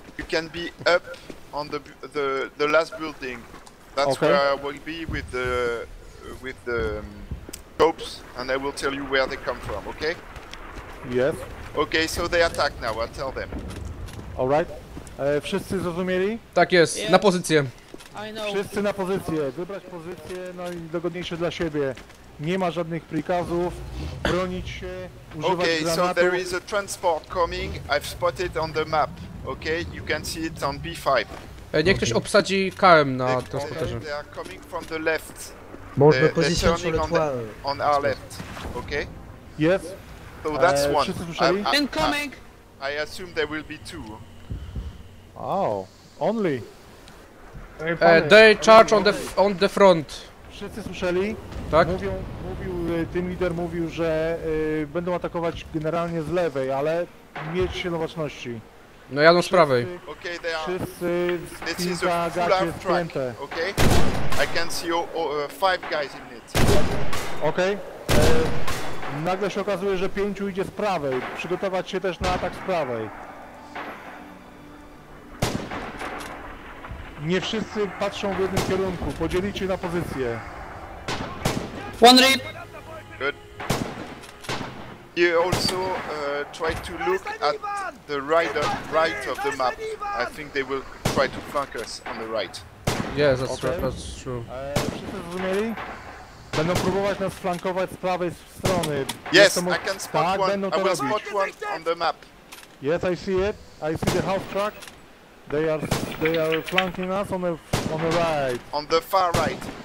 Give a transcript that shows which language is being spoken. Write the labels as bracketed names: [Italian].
[English] You can be up on the last building. That's okay. Where I will be with the scopes, and I will tell you where they come from, okay? Yes. Okay, so they attack now, I'll tell them. Alright. [Polish] Wszyscy zrozumieli? Tak jest, yeah. Na pozycję. Wszyscy na pozycję, wybrać pozycję najdogodniejsze dla siebie. Nie ma żadnych prikazów, bronić się, używać [English] okay, [Polish] granatu. [English] So there is a transport coming, I've spotted on the map, okay? You can see it on B5. [Polish] Niech ktoś obsadzi KM na transporterze. [English] They are coming from the left. [Polish] Można pozycję [English] on our left, okay? Yes. So that's one. Incoming! I assume there will be two. Oh, only. They charge on the front. [Polish] Wszyscy słyszeli? Tak. Team leader mówił, że będą atakować generalnie z lewej, ale mieć się na baczności. No jadą z prawej. [English] Okay, they are. [Polish] Wszyscy spinka gacie spięte. [English] Okay. I can see five guys in it. Okay. [Polish] Nagle się okazuje, że pięciu idzie z prawej. Przygotować się też na atak z prawej. Nie wszyscy patrzą w jednym kierunku. Podzielicie na pozycje. [English] One rip. Good. You also try to look at the right of the map. I think they will try to flank us on the right. Yes, that's okay. That's true. [Polish] Wszyscy zrozumieli? Będą próbować nas flankować z prawej strony. [English] Yes, I can spot one. I will spot one on the map. Yes, I see it. I see the half track. They are flanking us on the right. On the far right.